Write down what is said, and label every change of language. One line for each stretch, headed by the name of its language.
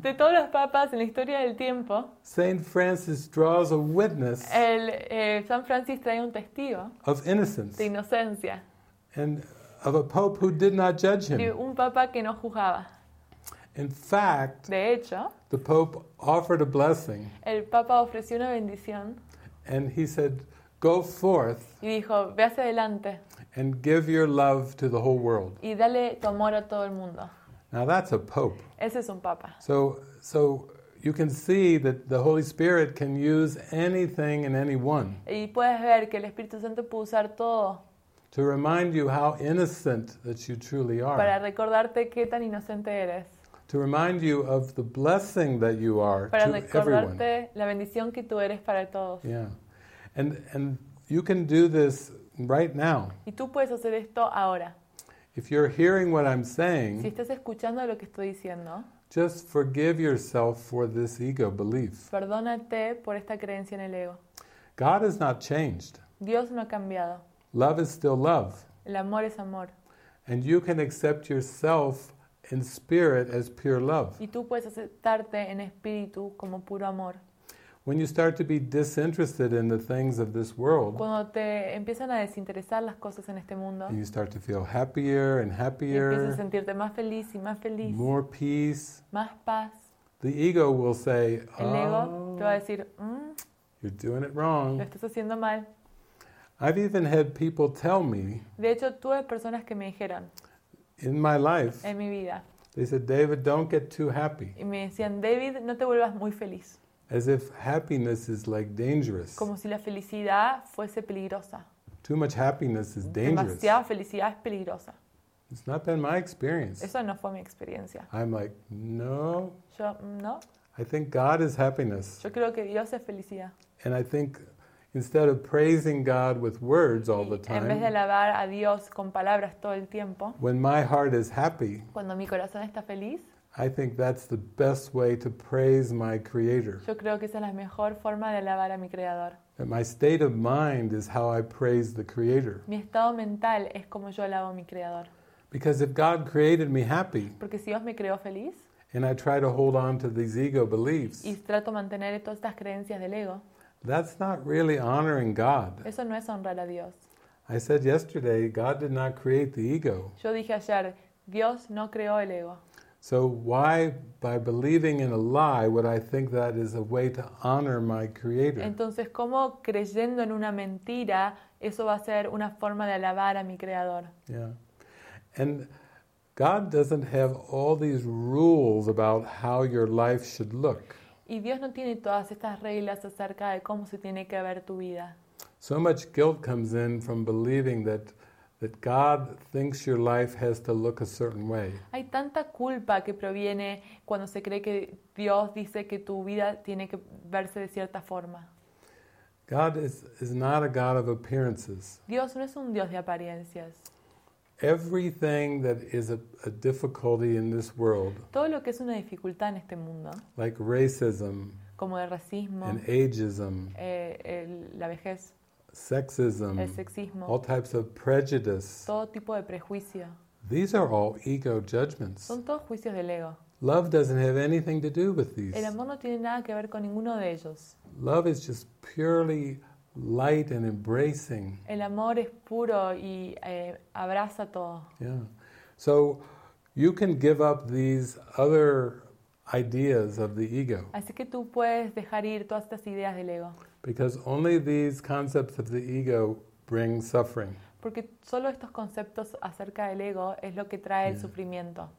Spanish: de todos los papas en la historia del tiempo,
English: Saint Francis draws a witness.
Spanish: San Francis trae un testigo
English: of innocence,
Spanish: de inocencia,
English: and of a pope who did not judge him.
Spanish: De un papa que no juzgaba.
English: In fact,
Spanish: de hecho,
English: the pope offered a blessing.
Spanish: El papa ofreció una bendición,
English: and he said, "Go forth."
Spanish: Y dijo, ve hacia adelante.
English: And give your love to the whole world.
Spanish: Y dale tu amor a todo el mundo.
English: Now that's a pope.
Spanish: Ese es un papa.
English: So you can see that the Holy Spirit can use anything and anyone.
Spanish: Y puedes ver que el Espíritu Santo puede usar todo.
English: To remind you how innocent that you truly are.
Spanish: Para recordarte qué tan inocente eres.
English: To remind you of the blessing that you are
Spanish: para
English: to everyone.
Spanish: Para recordarte la bendición que tú eres para todos.
English: Yeah. And you can do this right now.
Spanish: Y tú puedes hacer esto ahora.
English: If you're hearing what I'm saying,
Spanish: si estás escuchando lo que estoy diciendo,
English: just forgive yourself for this ego belief.
Spanish: Perdónate por esta creencia en el ego.
English: God has not changed.
Spanish: Dios no ha cambiado.
English: Love is still love.
Spanish: El amor es amor.
English: And you can accept yourself in spirit as pure love.
Spanish: Y tú puedes aceptarte en espíritu como puro amor.
English: When you start to be disinterested in the things of this world,
Spanish: cuando te empiezan a desinteresar las cosas en este mundo,
English: and you start to feel happier and happier,
Spanish: y empiezas a sentirte más feliz y más feliz,
English: more peace,
Spanish: más paz,
English: the ego will say,
Spanish: el ego te va a decir,
English: you're doing it wrong.
Spanish: Lo estás haciendo mal.
English: I've even had people tell me,
Spanish: de hecho, tuve personas que me dijeron,
English: in my life,
Spanish: en mi vida,
English: they said, David, don't get too happy.
Spanish: Y me decían, David, no te vuelvas muy feliz.
English: As if happiness is like dangerous.
Spanish: Como si la felicidad fuese peligrosa.
English: Too much happiness is dangerous.
Spanish: Demasiada felicidad es peligrosa.
English: It's not been my experience.
Spanish: Eso no fue mi experiencia.
English: I'm like, no.
Spanish: Yo, no.
English: I think God is happiness.
Spanish: Yo creo que Dios es felicidad.
English: And I think instead of praising God with words all the time,
Spanish: en vez de alabar a Dios con palabras todo el tiempo,
English: when my heart is happy,
Spanish: cuando mi corazón está feliz,
English: I think that's the best way to praise my creator.
Spanish: Yo creo que esa es la mejor forma de alabar a mi creador.
English: That my state of mind is how I praise the creator.
Spanish: Mi estado mental es como yo alabo a mi creador.
English: Because if God created me happy,
Spanish: porque si Dios me creó feliz,
English: and I try to hold on to these ego beliefs,
Spanish: y trato mantener todas estas creencias del ego,
English: that's not really honoring God.
Spanish: Eso no es honrar a Dios.
English: I said yesterday, God did not create the ego.
Spanish: Yo dije ayer, Dios no creó el ego.
English: So why, by believing in a lie, would I think that is a way to honor my creator?
Spanish: Entonces, ¿cómo creyendo en una mentira, eso va a ser una forma de alabar a mi creador?
English: Yeah. And God doesn't have all these rules about how your life should look.
Spanish: Y Dios no tiene todas estas reglas acerca de cómo se tiene que ver tu vida.
English: So much guilt comes in from believing that that God thinks your life has to look a certain way.
Spanish: Hay tanta culpa que proviene cuando se cree que Dios dice que tu vida tiene que verse de cierta forma.
English: God is not a God of appearances.
Spanish: Dios no es un Dios de apariencias.
English: Everything that is a difficulty in this world,
Spanish: todo lo que es una dificultad en este mundo,
English: like racism,
Spanish: como el racismo,
English: and ageism,
Spanish: la vejez,
English: sexism,
Spanish: el sexismo,
English: all types of prejudice,
Spanish: todo tipo de prejuicio.
English: These are all ego judgments.
Spanish: Son todos juicios del ego.
English: Love doesn't have anything to do with these.
Spanish: El amor no tiene nada que ver con ninguno de ellos.
English: Love is just purely light and embracing.
Spanish: El amor es puro y abraza todo.
English: Yeah. So you can give up these other ideas of the ego.
Spanish: Así que tú puedes dejar ir todas estas ideas del ego.
English: Because only these concepts of the ego bring suffering.
Spanish: Porque solo estos conceptos acerca del ego es lo que trae el sufrimiento.